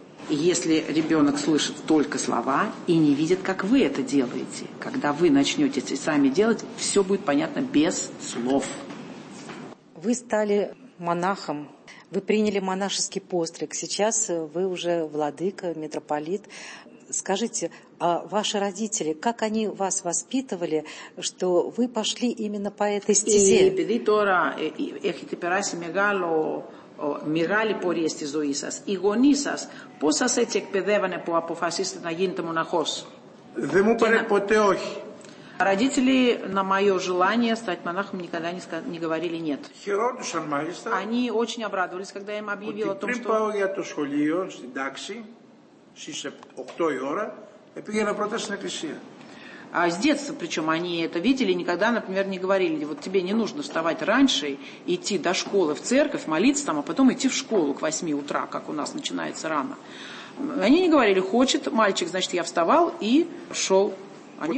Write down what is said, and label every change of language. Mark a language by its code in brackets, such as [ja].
[ru] Если ребенок слышит только слова и не видит, как вы это делаете, когда вы начнете сами делать, все будет понятно без слов. Вы стали монахом, вы приняли монашеский постриг, сейчас вы уже владыка, митрополит. Скажите, а ваши родители, как они вас воспитывали, что вы пошли именно по этой стезе? [el] И επειδή τώρα έχετε περάσει μεγάλο... μεγάλη πορεία στη ζωή σας. Οι γονείς σας πώς σας έτσι εκπαιδεύανε που αποφασίσατε να γίνετε μοναχός? Δεν μου είπανε ποτέ όχι. [ru] Родители на мое желание стать монахом никогда не говорили нет. Хиродушан, мальчика. Они очень обрадовались, когда я им объявил о том, что... [el] Πριν πάω για το σχολείο, στην τάξη, στις 8 η ώρα, πήγαινα πρώτα στην εκκλησία. [ru] А с детства, причем, они это видели, никогда, например, не говорили, вот тебе не нужно вставать раньше, идти до школы в церковь, молиться там, а потом идти в школу к 8 утра, как у нас начинается рано. Они не говорили, хочет мальчик, значит, я вставал и шел. Они